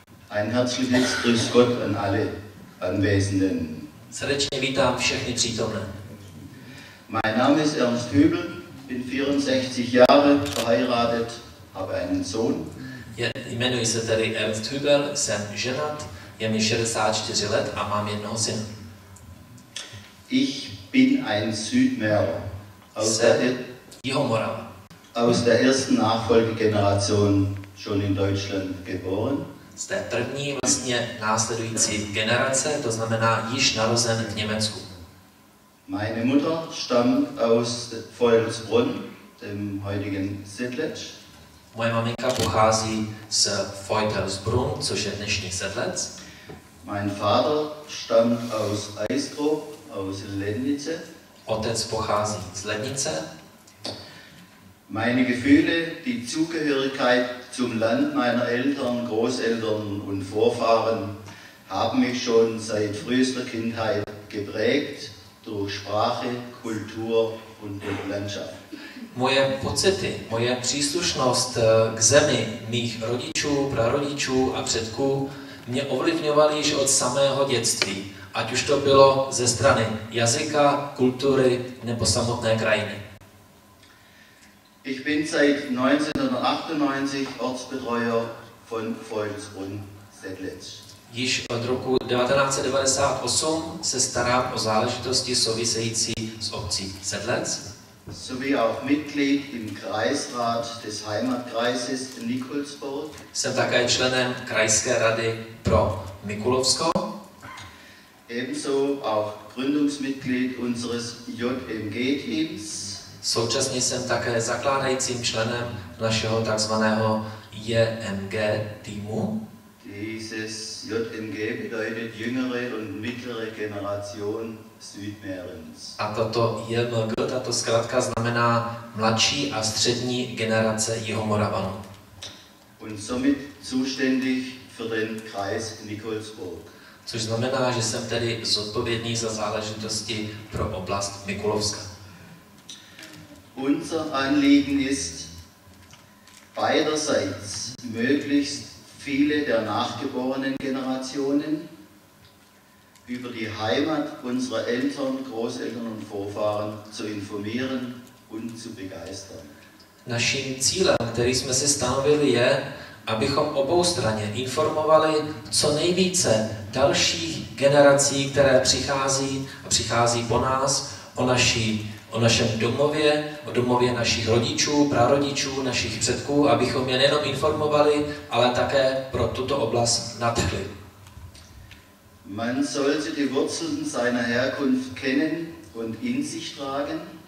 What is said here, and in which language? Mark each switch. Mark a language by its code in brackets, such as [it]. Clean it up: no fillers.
[de] Ein herzliches Grüß Gott an alle Anwesenden. [cs] Srdečně vítám všechny přítomné. [de] Mein Name ist Ernst Hübel, bin 64 Jahre verheiratet, habe einen Sohn. [cs] Jmenuji se tedy Ernst Hübel, jsem ženat, je mi 64 let a mám jednoho syna. [de] Ich bin ein Südmeer aus der ersten Nachfolgegeneration schon in Deutschland geboren. [cs] Z té první vlastně následující generace, to znamená již narozen v Německu. [de] Meine Mutter stammt aus Feuelsbrunn, dem heutigen Sedlec. [cs] Moje maminka pochází z Feuelsbrunn, což je dnešní Sedlec. [de] Mein Vater stammt aus Aistrow. Aus Lednice. [cs] Otec pochází z Lednice. [de] Meine Gefühle, die Zugehörigkeit zum Land meiner Eltern, Großeltern und Vorfahren haben mich schon seit frühester Kindheit geprägt durch Sprache, Kultur und durch Landschaft. [cs] Moje pocity, moje příslušnost k zemi mých rodičů, prarodičů a předků mě ovlivňovaly již od samého dětství. Ať už to bylo ze strany jazyka, kultury nebo samotné krajiny. [de] Ich bin seit 1998 Ortsbetreuer von Feuelsbrunn-Sedlec. [cs] Již od roku 1998 se starám o záležitosti související s obcí Sedlec. [de] Sowie auch Mitglied im Kreisrat des Heimatkreises Nikolsburg. [cs] Jsem také členem krajské rady pro Mikulovsko. [de] Ebenso auch Gründungsmitglied unseres JMG-Teams. [cs] Současně jsem také zakládajícím členem našeho takzvaného JMG-týmu. [de] Dieses JMG bedeutet jüngere und mittlere Generation Südmeerens. [cs] A toto JMG, tato zkrátka znamená mladší a střední generace Jihomoravanů. [de] Und somit zuständig für den Kreis Nikolsburg. [cs] Což znamená, že jsem tedy zodpovědný za záležitosti pro oblast Mikulovska. [de] Unser Anliegen ist, beiderseits möglichst viele der nachgeborenen Generationen über die Heimat unserer Eltern, Großeltern und Vorfahren zu informieren und zu begeistern. [cs] Naším cílem, který jsme si stanovili, je, abychom oboustranně informovali co nejvíce dalších generací, které přichází a přichází po nás, o našem domově, o domově našich rodičů, prarodičů, našich předků, abychom je nejenom informovali, ale také pro tuto oblast nadchli. [de] Man sollte die Wurzeln seiner Herkunft kennen und in sich tragen.